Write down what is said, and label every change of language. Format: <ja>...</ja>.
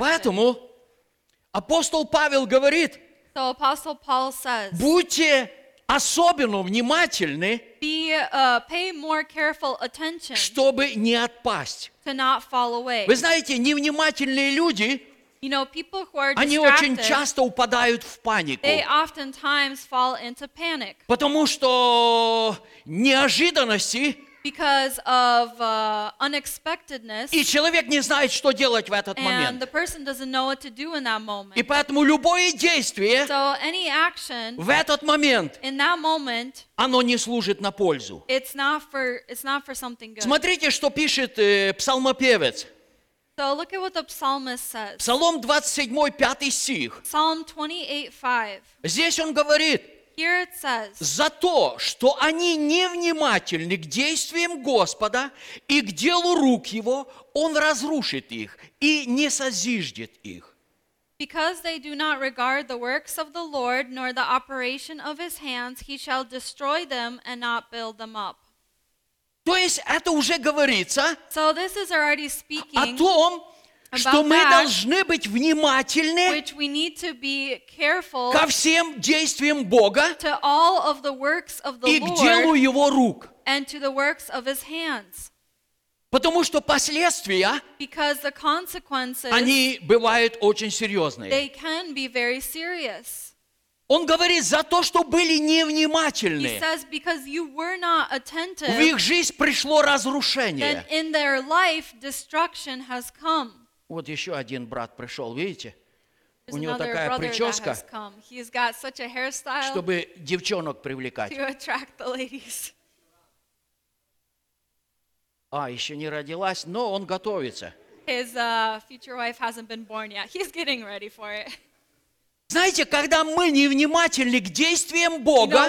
<ru>Поэтому апостол Павел говорит,</ru> <en>so Apostle Paul says,</en> <ru>будьте особенно внимательны,</ru> <en>be, pay more careful attention,</en> <ru>чтобы не отпасть.</ru> <en>To not fall away.</en> <ru>Вы знаете, невнимательные люди,</ru> <en>you know, people who are</en> <ru>они очень часто упадают в панику.</ru> <en>They oftentimes fall into panic.</en> <ru>Потому что неожиданности</ru> <en>because of unexpectedness.</en> <ru>И человек не знает, что делать в этот момент.</ru> <en>And the person doesn't know what to do in that moment.</en> <ru>И поэтому любое действие</ru> <en>so any action</en> <ru>в этот момент</ru> <en>in that moment</en> <ru>оно не служит на пользу.</ru> <en>It's not for something good.</en> <ru>Смотрите, что пишет псалмопевец.</ru> <en>So look at what the psalmist says.</en> <ru>Псалом 27, 5 стих.</ru> <en>Psalm 28, 5.</en> <ru>Здесь он говорит:</ru> <en>Here it says,</en> <ru>за то, что они невнимательны к действиям Господа и к делу рук Его, Он разрушит их и не созиждет их.</ru> <en>Because they do not regard the works of the Lord, nor the operation of His hands, He shall destroy them and not build them up.</en> <ru>То есть это уже говорится</ru> <en>so this is already speaking</en> <ru>о том, что мы должны быть внимательны</ru> <en>which we need to be careful</en> <ru>ко всем действиям Бога</ru> <en>to all of the works of the</en> <ru>и</ru> <en>Lord</en> <ru>к делу Его рук.</ru> <en>And to the works of His hands.</en> <ru>Потому что последствия</ru> <en>because the consequences,</en> <ru>они бывают очень серьезные.</ru> <en>They can be very serious.</en> <ru>Он говорит, за то, что были невнимательны.</ru> <en>He says, because you were not attentive,</en> <ru>в их жизнь пришло разрушение.</ru> <en>That in their life, destruction has come.</en> <ru>Вот еще один брат пришел, видите?</ru> <en>There's</en> <ru>у него такая прическа,</ru> <en>He's got such a hairstyle</en> <ru>чтобы девчонок привлекать.</ru> <en>To attract the ladies.</en> <ru>А, еще не родилась, но он готовится.</ru> <en>His future wife hasn't been born yet. He's getting ready for it.</en> <ru>Знаете, когда мы невнимательны к действиям Бога,</ru>